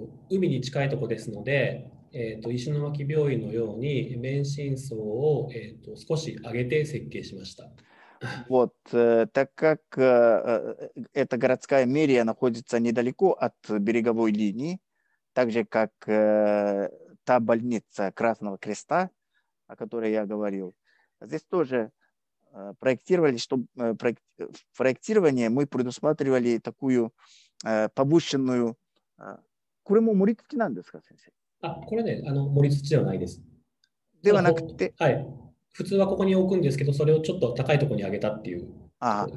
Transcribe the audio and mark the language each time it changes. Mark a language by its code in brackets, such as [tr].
[ja] 海に近いところですので、石巻病院のように免震層を、少し上げて設計しました。 [ru] Вот, так как эта городская мэрия находится недалеко от береговой линии, так же как та больница Красного Креста, о которой я говорил, здесь тоже проектировали, что в проектировании мы предусматривали такую. повышенную [ja] これも盛り土なんですか先生あこれね盛り土ではないですではなくてはい普通はここに置くんですけどそれをちょっと高いところに上げたっていうところ